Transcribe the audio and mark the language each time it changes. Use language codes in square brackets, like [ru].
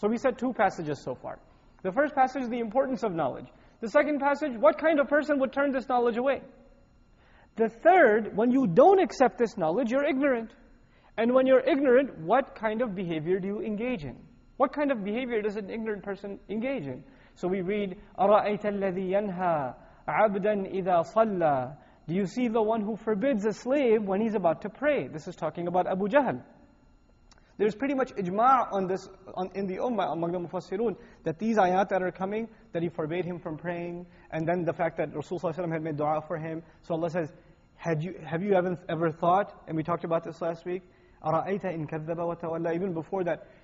[en] So we said two passages so far. The first passage, the importance of knowledge. The second passage, what kind of person would turn this knowledge away? The third, when you don't accept this knowledge, you're ignorant. And when you're ignorant, what kind of behavior do you engage in? What kind of behavior does an ignorant person engage in? So we read, [ar] أَرَأَيْتَ الَّذِي يَنْهَى عَبْدًا إِذَا صَلَّى. [en] Do you see the one who forbids a slave when he's about to pray? This is talking about Abu Jahl. There's pretty much ijma' on this in the ummah among the mufassirun that these ayat that are coming, that he forbade him from praying, and then the fact that Rasulullah had made dua for him. So Allah says, have you ever thought, and we talked about this last week, [ar] أَرَأَيْتَ إِن كَذَّبَ وَتَوَلَّى, [en] even before that.